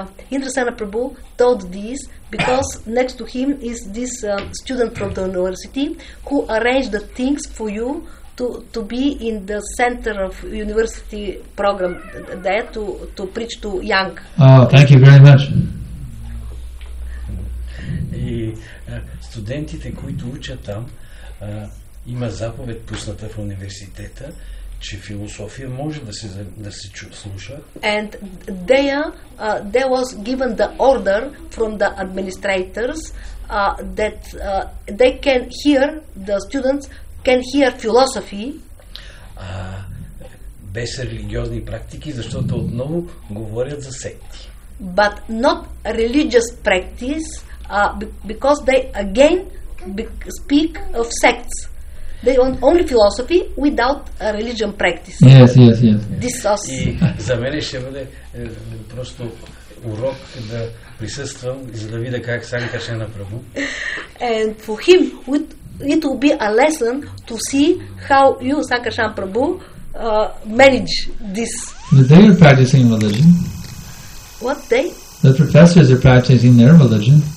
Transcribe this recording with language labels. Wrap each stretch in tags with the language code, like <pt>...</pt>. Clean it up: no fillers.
<en>Индрасана Прабху told this because next to him is this student from the university who arranged the things for you to be in the center of university program there to preach to young. Oh, thank you very much.</en> <bg>И студентите, които учат там, има заповед пусната в университета, че философия може да се слуша.</bg> <en>And there there was given the order from the administrators that they can hear, the students can hear philosophy.</en> <bg>Без религиозни практики, защото отново говорят за секти.</bg> <en>But not religious practice, because they again speak of sects. They want only philosophy without a religion practice. Yes.</en> <bg>И за мен ще бъде просто урок да присъствам, за да видя как Санкаршана Прабху.</bg> <en>And for him, it will be a lesson to see how you, Санкаршана Прабху, manage this. But they are practicing religion. What they? The professors are practicing their religion.</en>